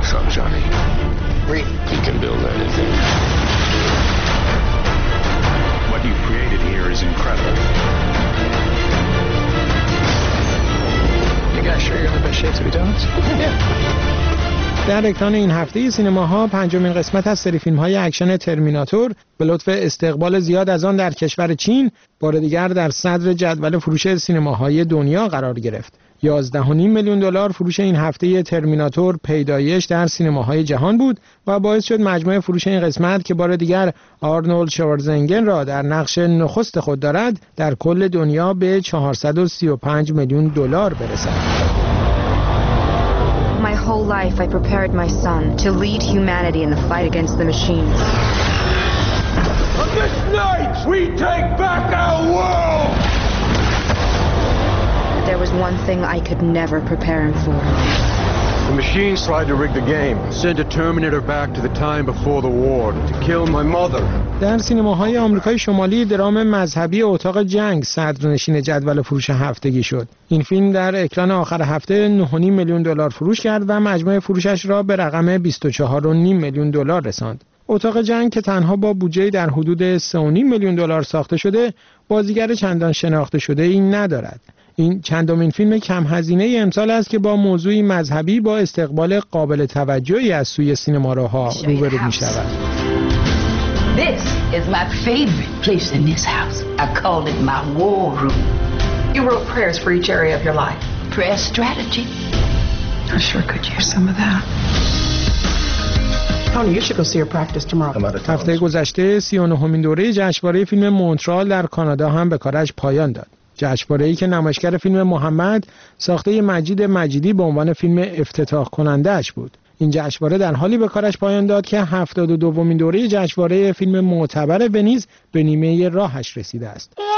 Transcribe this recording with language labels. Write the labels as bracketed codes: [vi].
[en] Johnny. He can build anything. What you created here is incredible. You guys sure you're in the best shape to be donuts? Yeah. [fa] در اکران این هفته سینماها پنجمین قسمت از سری فیلم‌های اکشن ترمیناتور به لطف استقبال زیاد از آن در کشور چین بار دیگر در صدر جدول فروش سینماهای دنیا قرار گرفت. 11.5 میلیون دلار فروش این هفته ترمیناتور پیدایش در سینماهای جهان بود و باعث شد مجموع فروش این قسمت که بار دیگر آرنولد شوارزنگر را در نقش نخست خود دارد در کل دنیا به 435 میلیون دلار برسد. [en] My whole life I prepared my son to lead humanity in the fight against the machines. On this night we take back our world. There was one thing I could never prepare him for. The machines tried to rig the game, send a Terminator back to the time before the war to kill my mother. [fa] در سینماهای آمریکای شمالی درام مذهبی اتاق جنگ صدرنشین جدول فروش هفتگی شد. این فیلم در اکران آخر هفته 9.5 میلیون دلار فروش کرد و مجموع فروشش را به رقم 24.5 میلیون دلار رساند. اتاق جنگ که تنها با بودجه در حدود 3.5 میلیون دلار ساخته شده، بازیگر چندان شناخته شده ای ندارد. این چندمین فیلم کم هزینه ای امسال است که با موضوعی مذهبی با استقبال قابل توجهی از سوی سینماروها روبرو می شود. [en] This is my favorite place in this house. I call it my war room. You wrote prayers for each area of your life. Prayer strategy. I sure could use some of that. [fa] هفته گذشته 39مین دوره جشنواره فیلم مونترال در کانادا هم به کارش پایان داد. جشنواره‌ای که نمایشگر فیلم محمد ساخته مجید مجیدی به عنوان فیلم افتتاح کنندهش بود. این جشنواره در حالی به کارش پایان داد که 72مین دوره جشنواره فیلم معتبر ونیز به نیمه راهش رسیده است.